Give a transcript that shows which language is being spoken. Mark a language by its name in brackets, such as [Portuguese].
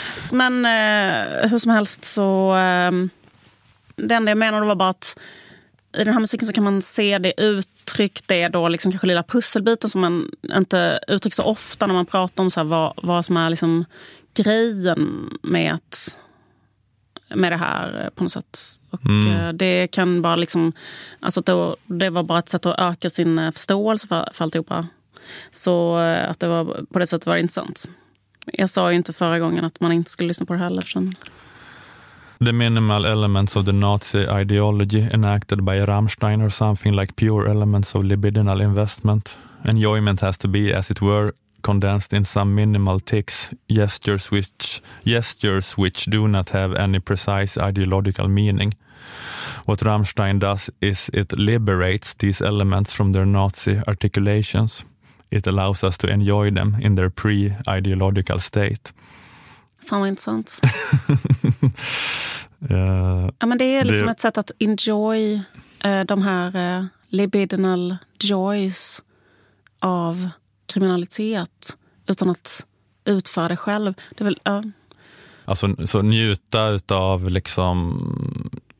[Swedish] Men hur som helst så det enda jag menade var bara att i den här musiken så kan man se det uttryckt, det då liksom kanske lilla pusselbiten som man inte uttrycker så ofta när man pratar om så här, vad som är liksom grejen med att med det här på något sätt, och det kan bara liksom, alltså då, det var bara ett sätt att öka sin förståelse för alltihopa, så att det var på det sättet var det intressant. Jag sa ju inte förra gången att man inte skulle lyssna på det heller, eftersom [English] the minimal elements of the Nazi ideology enacted by Rammstein or something like pure elements of libidinal investment, enjoyment has to be as it were condensed in some minimal tics, gestures which do not have any precise ideological meaning. What Rammstein does is it liberates these elements from their Nazi articulations. It allows us to enjoy them in their pre-ideological state. [Swedish] Fan vad intressant. Ja, men det är liksom ett sätt att [English] enjoy [Swedish] de här [English] libidinal joys [Swedish] av kriminalitet utan att utföra det själv. Det är väl, Alltså så njuta utav liksom